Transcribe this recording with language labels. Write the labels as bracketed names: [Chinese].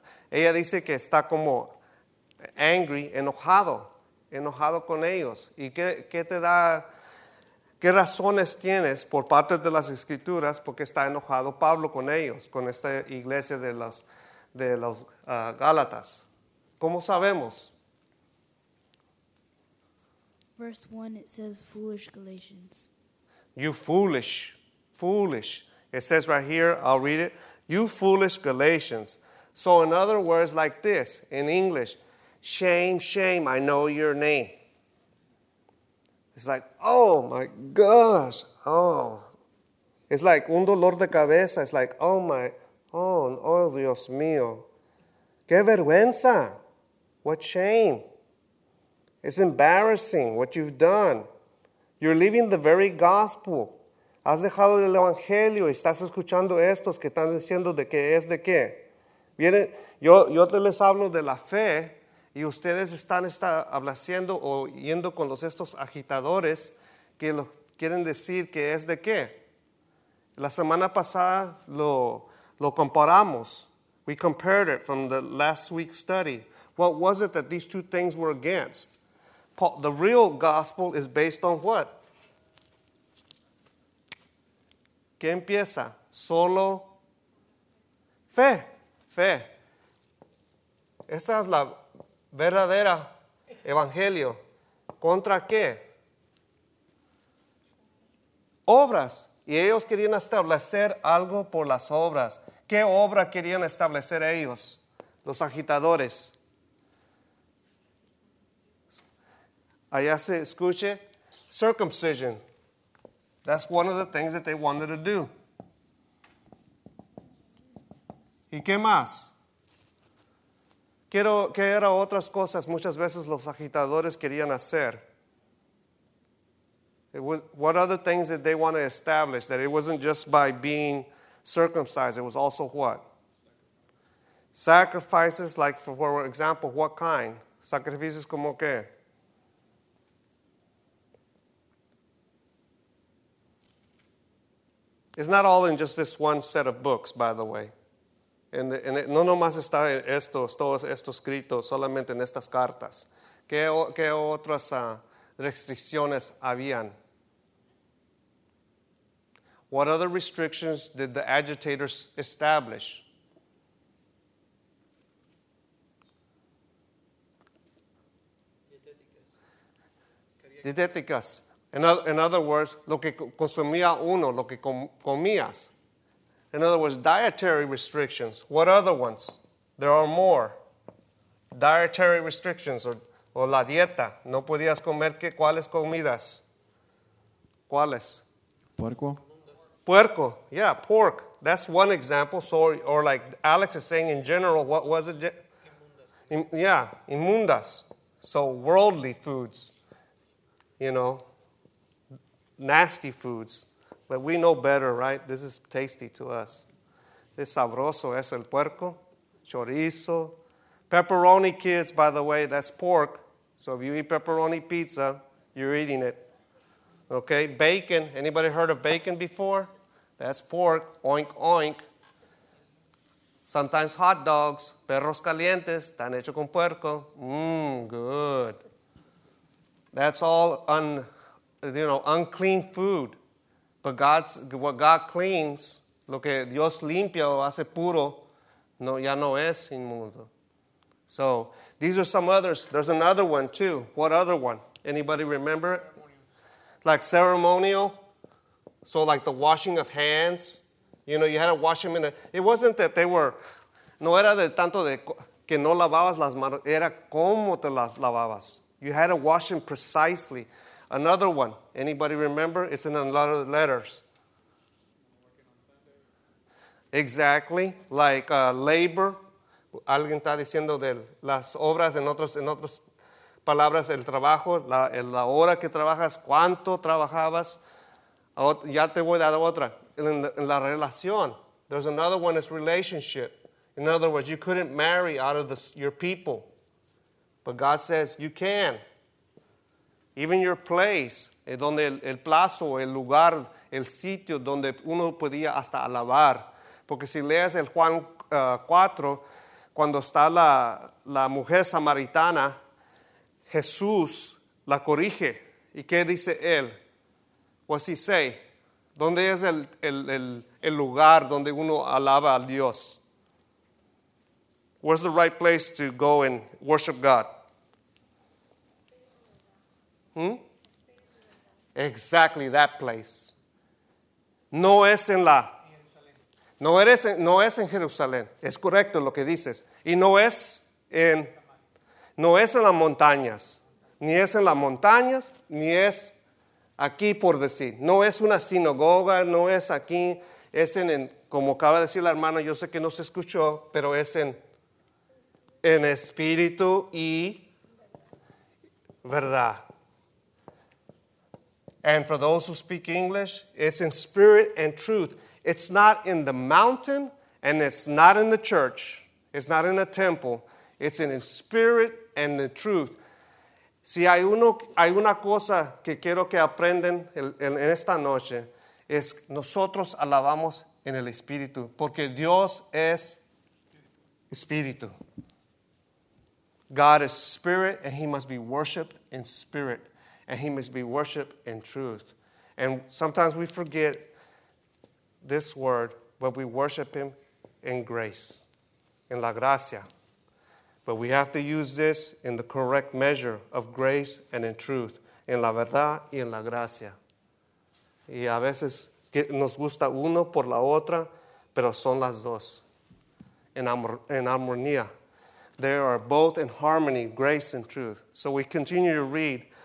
[Spanish] Ella dice que está como [English] angry, [Spanish] enojado con ellos. ¿Y qué te da? ¿Qué razones tienes por parte de las escrituras porque está enojado Pablo con ellos, con esta iglesia de los Gálatas? ¿Cómo sabemos? [English] Verse 1, it says, foolish Galatians. You foolish, foolish. It says right here, I'll read it. You foolish Galatians. So in other words, like this, in English, shame, shame, I know your name. It's like, oh my gosh, oh. It's like [Spanish] un dolor de cabeza. [English] It's like, oh my, [Spanish] oh Dios mío. Qué vergüenza. [English] What shame. It's embarrassing what you've done. You're leaving the very gospel. [Spanish] Has dejado el evangelio y estás escuchando estos que están diciendo de qué es de qué. Vienen, yo te les hablo de la fe y ustedes están hablando o yendo con estos agitadores que lo quieren decir que es de qué. La semana pasada lo comparamos. [English] We compared it from the last week's study. What was it that these two things were against? The real gospel is based on what? [Spanish] ¿Qué empieza? Solo fe. Fe. Esta es la verdadera evangelio. ¿Contra qué? Obras. Y ellos querían establecer algo por las obras. ¿Qué obra querían establecer ellos? Los agitadores. Allá se escuche, circumcision. [English] That's one of the things that they wanted to do. [Spanish] ¿Y qué más? ¿Qué era otras cosas muchas veces los agitadores querían hacer? [English] What other things did they want to establish? That it wasn't just by being circumcised, it was also what? Sacrifices, like for example, what kind? [Spanish] Sacrificios como qué? [English] It's not all in just this one set of books, by the way. [Spanish] No nomás está todo esto escrito solamente en estas cartas. ¿Qué otras restricciones habían? [English] What other restrictions did the agitators establish? [Spanish] Dietéticas. [English] In other words, [Spanish] lo que consumía uno, lo que comías. [English] In other words, dietary restrictions. What other ones? There are more. Dietary restrictions or [Spanish] la dieta. No podías comer que cuáles comidas. ¿Cuáles? Puerco. Puerco. [English] Yeah, pork. That's one example. So, or like Alex is saying in general, what was it? [Spanish] Inmundas. [English] So worldly foods, you know. Nasty foods, but we know better, right? This is tasty to us. [Spanish] Es sabroso, es el puerco, chorizo, pepperoni, [English] kids, by the way, that's pork. So if you eat pepperoni pizza, you're eating it. Okay, bacon. Anybody heard of bacon before? That's pork. Oink, oink. Sometimes hot dogs, [Spanish] perros calientes, están hechos con puerco. [English] Mmm, good. That's all unclean food. But God's, what God cleans, [Spanish] lo que Dios limpia o hace puro, no, ya no es inmundo. [English] So, these are some others. There's another one too. What other one? Anybody remember it? Like ceremonial. So like the washing of hands. You know, you had to wash them it wasn't that they were, [Spanish] no era de tanto de que no lavabas las manos, era como te las lavabas. [English] You had to wash them precisely. Another one. Anybody remember? It's in a lot of letters. Exactly, like labor. [Spanish] Alguien está diciendo de las obras, en otras palabras, el trabajo, la hora que trabajas, cuánto trabajabas. Ya te voy a dar otra. En la relación. [English] There's another one, it's relationship. In other words, you couldn't marry out of your people. But God says you can. Even your place, [Spanish] donde el plazo, el lugar, el sitio donde uno podía hasta alabar. Porque si lees el Juan 4, cuando está la mujer samaritana, Jesús la corrige. ¿Y qué dice él? [English] What's he say? [Spanish] ¿Dónde es el lugar donde uno alaba a Dios? [English] Where's the right place to go and worship God? Exactly that place. [Spanish] No es en la... No es en Jerusalén. Es correcto lo que dices. Y no es en las montañas. Ni es en las montañas, ni es aquí por decir. No es una sinagoga, no es aquí. Es en como acaba de decir la hermana, yo sé que no se escuchó, pero es en espíritu y verdad. [English] And for those who speak English, it's in spirit and truth. It's not in the mountain, and it's not in the church. It's not in the temple. It's in spirit and the truth. [Spanish] Si hay una cosa que quiero que aprendan en esta noche, es nosotros alabamos en el espíritu, porque Dios es espíritu. [English] God is spirit, and he must be worshipped in spirit, and he must be worshipped in truth. And sometimes we forget this word, but we worship him in grace, in [Spanish] la gracia. [English] But we have to use this in the correct measure of grace and in truth, [Spanish] en la verdad y en la gracia. Y a veces nos gusta uno por la otra, pero son las dos, en armonía. [English] They are both in harmony, grace and truth. So we continue to read.